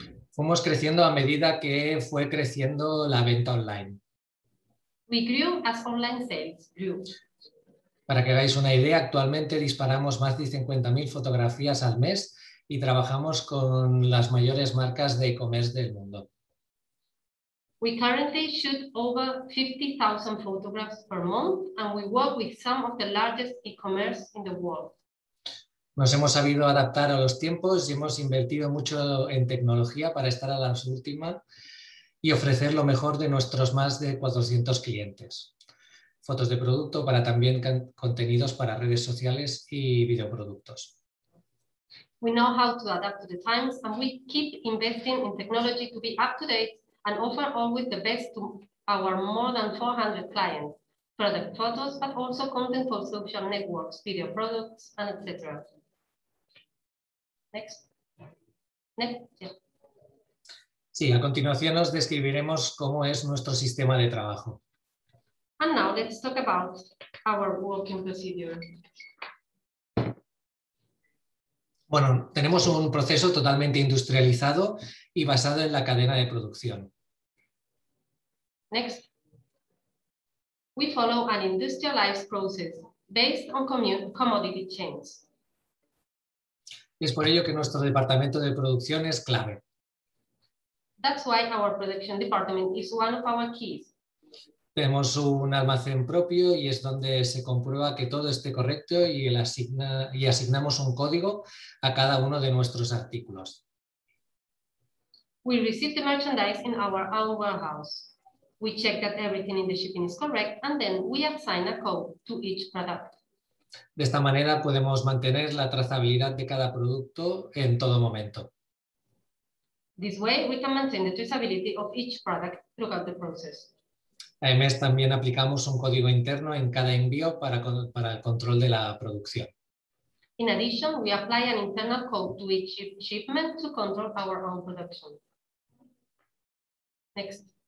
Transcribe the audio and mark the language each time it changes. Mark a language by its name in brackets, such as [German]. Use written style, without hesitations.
[Spanish] Fuimos creciendo a medida que fue creciendo la venta online. [English] We grew as online sales grew. [Spanish] Para que hagáis una idea, actualmente disparamos más de 50.000 fotografías al mes y trabajamos con las mayores marcas de e-commerce del mundo. [English] We currently shoot over 50,000 photographs per month and we work with some of the largest e-commerce in the world. [Spanish] Nos hemos sabido adaptar a los tiempos y hemos invertido mucho en tecnología para estar a la última y ofrecer lo mejor de nuestros más de 400 clientes. Fotos de producto para también contenidos para redes sociales y videoproductos. [English] We know how to adapt to the times and we keep investing in technology to be up to date and offer always the best to our more than 400 clients, product photos, but also content for social networks, video products, and etc. Next. Yeah. [Spanish] Sí, a continuación os describiremos cómo es nuestro sistema de trabajo. [English] And now let's talk about our working procedure. [Spanish] Bueno, tenemos un proceso totalmente industrializado y basado en la cadena de producción. [English] Next, we follow an industrialized process based on commodity chains. [Spanish] Es por ello que nuestro departamento de producción es clave. [English] That's why our production department is one of our keys. [Spanish] Tenemos un almacén propio y es donde se comprueba que todo esté correcto y asignamos un código a cada uno de nuestros artículos. [English] We receive the merchandise in our own warehouse. We check that everything in the shipping is correct and then we assign a code to each product. [Spanish] De esta manera podemos mantener la trazabilidad de cada producto en todo momento. [English] This way we can maintain the traceability of each product throughout the process. [Spanish] Además, también aplicamos un código interno en cada envío para el control de la producción. [English] In addition, we apply an internal code to each shipment to control our own production. Next.